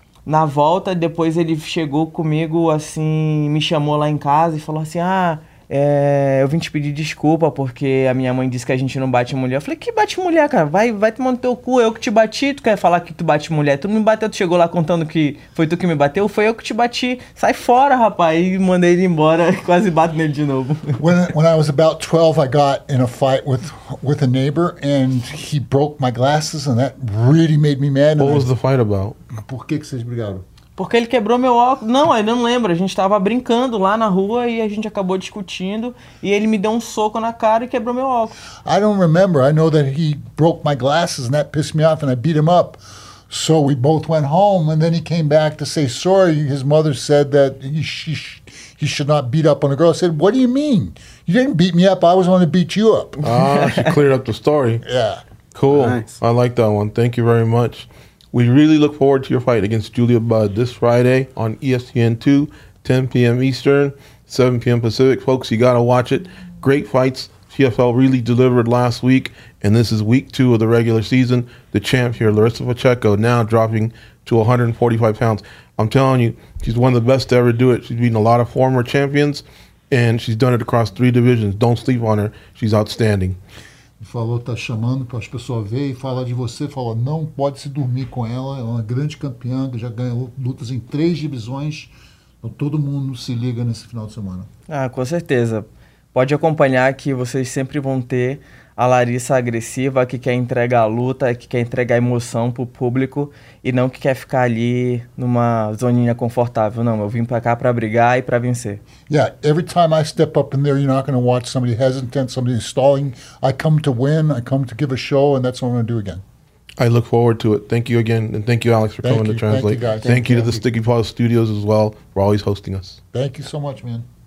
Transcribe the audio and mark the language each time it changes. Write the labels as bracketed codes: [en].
[pt] Na volta, depois ele chegou comigo, assim, me chamou lá em casa e falou assim, eu vim te pedir desculpa porque a minha mãe disse que a gente não bate mulher. Eu falei, que bate mulher, cara? Vai tomar no teu cu, eu que te bati, tu quer falar que tu bate mulher? Tu me bateu, tu chegou lá contando que foi tu que me bateu, foi eu que te bati. Sai fora, rapaz. E mandei ele embora, quase bato nele de novo. [en] When I was about 12, I got in a fight with a neighbor and he broke my glasses and that really made me mad. What was the fight about? [pt] Por que vocês brigaram? Porque ele quebrou meu óculos. Não, eu não lembro. A gente tava brincando lá na rua e a gente acabou discutindo. E ele me deu um soco na cara e quebrou meu óculos. [en] I don't remember. I know that he broke my glasses and that pissed me off and I beat him up. So we both went home and then he came back to say sorry. His mother said that he should not beat up on a girl. I said, what do you mean? You didn't beat me up. I was going to beat you up. She cleared up the story. Yeah. Cool. Nice. I like that one. Thank you very much. We really look forward to your fight against Julia Budd this Friday on ESPN2, 10 p.m. Eastern, 7 p.m. Pacific. Folks, you got to watch it. Great fights. PFL really delivered last week, and this is week two of the regular season. The champ here, Larissa Pacheco, now dropping to 145 pounds. I'm telling you, she's one of the best to ever do it. She's beaten a lot of former champions, and she's done it across three divisions. Don't sleep on her. She's outstanding. [pt] Falou, tá chamando para as pessoas ver e fala de você, fala, não pode se dormir com ela, é uma grande campeã, já ganhou lutas em três divisões, então todo mundo se liga nesse final de semana. Ah, com certeza. Pode acompanhar que vocês sempre vão ter a Larissa agressiva, que quer entregar a luta, que quer entregar emoção pro público e não que quer ficar ali numa zoninha confortável. Não, eu vim para cá para brigar e para vencer. [en] Yeah, every time I step up in there, you're not going to watch somebody hesitant, somebody stalling. I come to win, I come to give a show, and that's what I'm going to do again. I look forward to it. Thank you again, and thank you, Alex, for coming to translate. Thank you, guys. Thank you to the Sticky Paws Studios as well for always hosting us. Thank you so much, man.